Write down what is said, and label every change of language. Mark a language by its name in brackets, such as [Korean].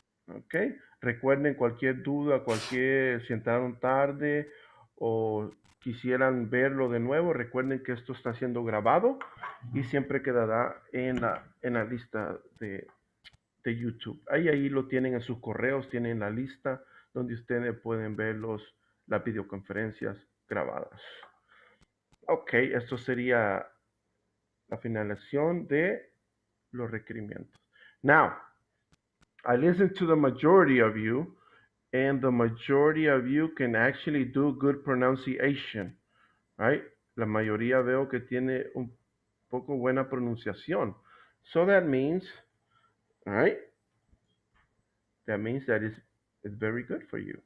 [Spanish] Ok, recuerden cualquier duda, si entraron tarde o quisieran verlo de nuevo, recuerden que esto está siendo grabado y siempre quedará en la lista de YouTube. Ahí lo tienen en sus correos, tienen la lista donde ustedes pueden ver las videoconferencias grabadas. Ok, esto sería la finalización de los requerimientos. [English] Now, I listened to the majority of you. And the majority of you can actually do good pronunciation, right? [Spanish] La mayoría veo que tiene un poco buena pronunciación. [English] So that means, right? That means that it's very good for you.